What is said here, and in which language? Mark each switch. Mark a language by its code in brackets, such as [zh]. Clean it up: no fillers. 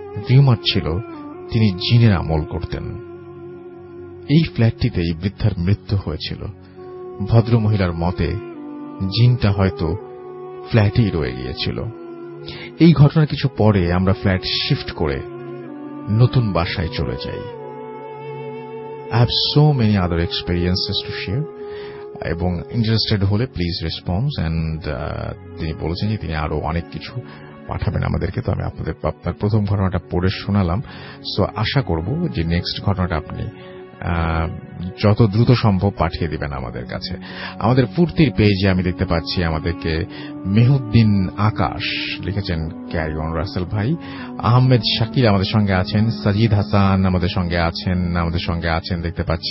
[bn] Rumour ছিল তিনি জিনের আমল করতেন। এই ফ্ল্যাটটিতে এই বৃদ্ধার মৃত্যু হয়েছিল। ভদ্রমহিলার মতে জিনটা হয়তো ফ্ল্যাটেই রয়ে গিয়েছিল। এই ঘটনার কিছু পরে আমরা ফ্ল্যাট শিফট করে নতুন বাসায় চলে যাই। [en] I have so many other experiences to share. [bn] এবং [en] interested [bn] হলে [en] Please response. [bn] অ্যান্ড তিনি বলেছেন যে তিনি আরো অনেক কিছু পাঠাবেন আমাদেরকে। তো আমি আপনাদের আপনার প্রথম ঘটনাটা পড়ে শোনালাম। সো আশা করব যে নেক্সট ঘটনাটা আপনি যত দ্রুত সম্ভব পাঠিয়ে দিবেন আমাদের কাছে। আমাদের ফুর্তির পেজে আমি দেখতে পাচ্ছি আমাদেরকে মেহুদ্দিন আকাশ লিখেছেন, ক্যারিয়ন রাসেল ভাই, আহমেদ শাকির আমাদের সঙ্গে আছেন, সাজিদ হাসান আমাদের সঙ্গে আছেন, দেখতে